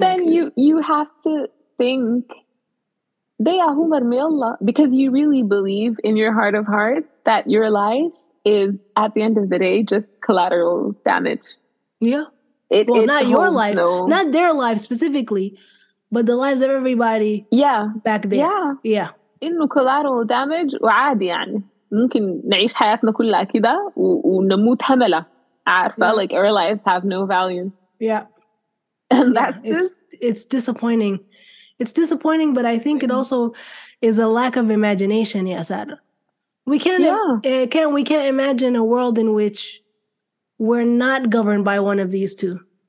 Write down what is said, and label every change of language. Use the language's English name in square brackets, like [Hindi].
[English] But then you have to think, because you really believe in your heart of hearts that your life is, at the end of the day, just collateral damage. Yeah. Not their life specifically, but the lives of everybody back there. Yeah. Yeah. [Arabic] إنه [English] collateral damage [Arabic] وعادي يعني. ممكن نعيش حياتنا كلها كده ونموت هملة. عارفة, [English] like our lives have no value. Yeah. And that's it's disappointing. It's disappointing, but I think it also is a lack of imagination, Yasar. We can't imagine a world in which we're not governed by one of these two.